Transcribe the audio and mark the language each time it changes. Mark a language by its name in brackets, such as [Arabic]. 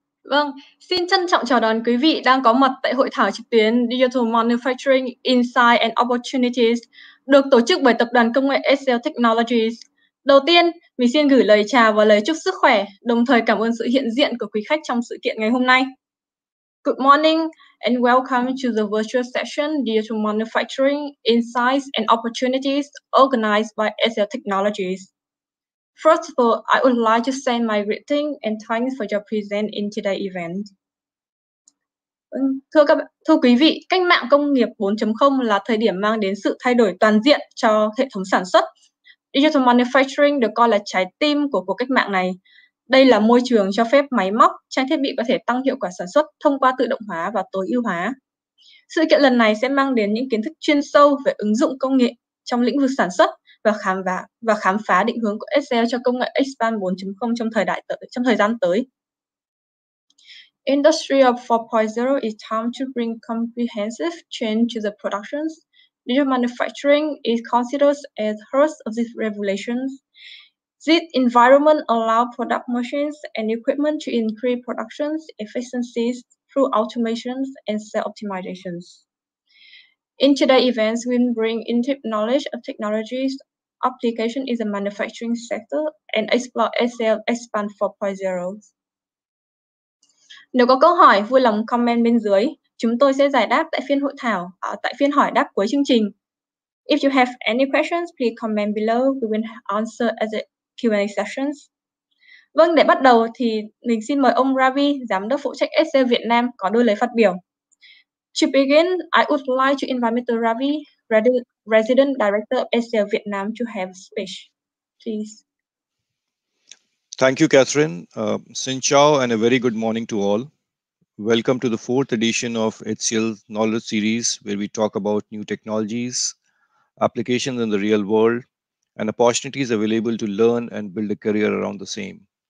[Vietnamese] Vâng, xin trân trọng chào đón quý vị đang có mặt tại hội thảo trực tuyến Digital Manufacturing Insight and Opportunities được tổ chức bởi tập đoàn công nghệ HCL Technologies. Đầu tiên, mình xin gửi lời chào và lời chúc sức khỏe, đồng thời cảm ơn sự hiện diện của quý khách trong sự kiện ngày hôm nay. [English] Good morning and welcome to the virtual session Digital Manufacturing Insights and Opportunities organized by HCL Technologies. First of all, I would like to send my greeting and thanks for your presence in today's event. [Vietnamese] Thưa quý vị, cách mạng công nghiệp 4.0 là thời điểm mang đến sự thay đổi toàn diện cho hệ thống sản xuất. Digital Manufacturing được coi là trái tim của cuộc cách mạng này. Đây là môi trường cho phép máy móc, trang thiết bị có thể tăng hiệu quả sản xuất thông qua tự động hóa và tối ưu hóa. Sự kiện lần này sẽ mang đến những kiến thức chuyên sâu về ứng dụng công nghệ trong lĩnh vực sản xuất và khám phá định hướng của HCL cho công nghệ Xpan 4.0 trong thời gian tới. [English] Industry 4.0 is time to bring comprehensive change to the productions. Digital manufacturing is considered as heart of these revolutions. This environment allows product machines and equipment to increase production efficiencies through automations and cell optimizations. In today's events, we bring in-depth knowledge of technologies application in the manufacturing sector and explore HCL Xpan 4.0. [Vietnamese] Nếu có câu hỏi, vui lòng comment bên dưới. Chúng tôi sẽ giải đáp tại phiên hội thảo, tại phiên hỏi đáp cuối chương trình. [English] If you have any questions, please comment below. We will answer at the Q&A sessions. [Vietnamese] Vâng, để bắt đầu thì mình xin mời ông Ravi, Giám đốc phụ trách HCL Việt Nam, có đôi lời phát biểu. [English] To begin, I would like to invite Mr. Ravi, Resident Director of HCL Vietnam, to have a speech, please. Thank you, Catherine. [Vietnamese] Xin chào [English] and a very good morning to all. Welcome to the fourth edition of HCL Knowledge Series, where we talk about new technologies, applications in the real world, and opportunities available to learn and build a career around the same.